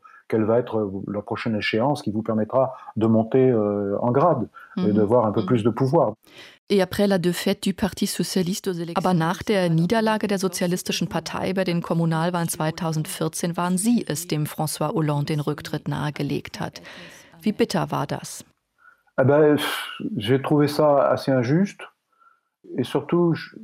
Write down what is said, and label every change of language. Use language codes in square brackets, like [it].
[fr] Quelle va être la prochaine échéance qui vous permettra de monter en grade et de voir un peu plus de pouvoir. Et après la défaite du Parti socialiste aux élections. [de] Aber nach der Niederlage der sozialistischen Partei bei den Kommunalwahlen 2014 waren Sie es, dem François Hollande den Rücktritt nahegelegt hat. Wie bitter war das? [fr] J'ai trouvé ça assez injuste et surtout